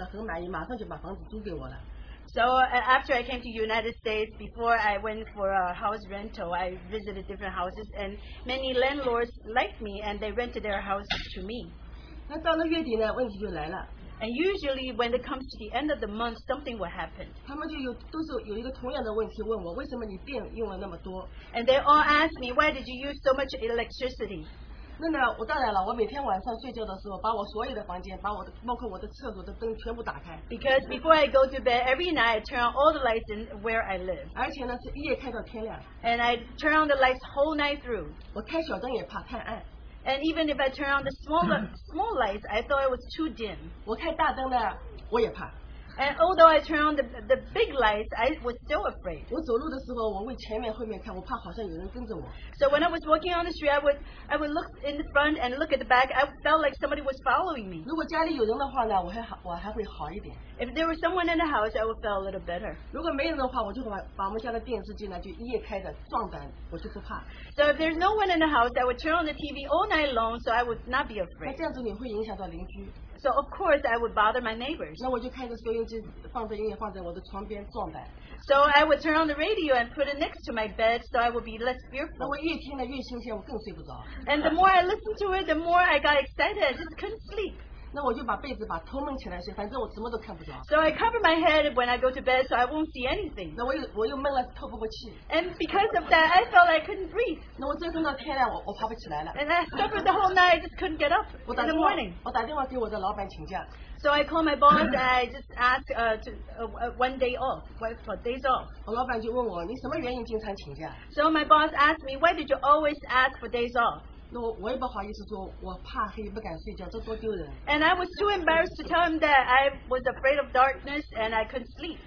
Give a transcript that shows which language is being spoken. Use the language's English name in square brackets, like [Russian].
[Chinese] 到了美国以后呢，我记得我去租房子，很多房东看到我以后呢，很满意，马上就把房子租给我了。 [English] So after I came to United States, before I went for a house rental, I visited different houses, and many landlords liked me, and they rented their houses to me. [Chinese] 那到了月底呢，问题就来了。 [English] And usually when it comes to the end of the month, something will happen. [Chinese] 他们就有一个同样的问题问我，为什么你电用了那么多？ [English] And they all ask me, why did you use so much electricity? [Chinese] 那呢，我当然了，我每天晚上睡觉的时候，把我所有的房间，包括我的厕所的灯全部打开。 [English] Because before I go to bed every night, I turn on all the lights in where I live. [Chinese] 而且呢，是一夜开到天亮。 [English] And I turn on the lights whole night through. [Chinese] 我开小灯也怕太暗。 [English] And even if I turn on the small lights, I thought it was too dim. [Chinese] 我开大灯呢，我也怕。 [English] And although I turn on the big lights, I was still afraid. [Chinese] 我走路的时候，我会前面后面看，我怕好像有人跟着我。 [English] So when I was walking on the street, I would look in the front and look at the back. I felt like somebody was following me. [Chinese] 如果家里有人的话呢，我还会好一点。 [English] If there was someone in the house, I would feel a little better. [Chinese] 如果没人的话，我就把我们家的电视机呢就一夜开着，壮胆，我就不怕。 [English] So if there's no one in the house, I would turn on the TV all night long, so I would not be afraid. [Chinese] 那这样子你会影响到邻居。 [English] So of course I would bother my neighbors. [Chinese] 那我就开着收音机，放着音乐放在我的床边壮胆。 [English] So I would turn on the radio and put it next to my bed, so I would be less fearful. [Chinese] 那我越听呢越新鲜，我更睡不着。 [English] And the more I listened to it, the more I got excited. I just couldn't sleep. [Chinese] 那我就把被子把头蒙起来睡，反正我什么都看不着。 [English] So I cover my head when I go to bed, so I won't see anything. [Chinese] 那我又闷了透不过气。 [English] And because of that, I felt I couldn't breathe. [Chinese] 那我折腾到天亮，我爬不起来了。 [English] And I suffered the whole night, I just couldn't get up in the morning. [Chinese] 我打电话给我的老板请假。 [English] So I called my boss and I just asked one day off, for days off. [Chinese] 我老板就问我，你什么原因经常请假？ [English] So my boss asked me, why did you always ask for days off? [Chinese] 那我也不好意思说，我怕黑，不敢睡觉，这多丢人。 [English] And I was too embarrassed to tell him that I was afraid of darkness and I couldn't sleep.